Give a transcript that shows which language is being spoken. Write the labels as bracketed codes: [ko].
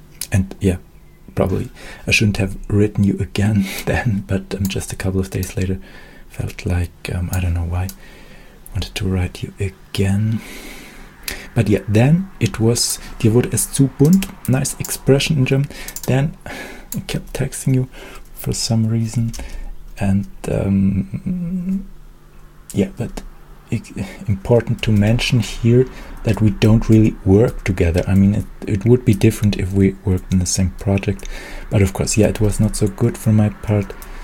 [en] And yeah, probably I shouldn't have written you again then, but just a couple of days later felt like, I don't know why, wanted to write you again. But yeah, then it was, [de] dir wurde es zu bunt, [en] nice expression in German. Then I kept texting you for some reason, and yeah, but important to mention here that we don't really work together. I mean, it would be different if we worked in the same project, but of course, yeah, it was not so good for my part.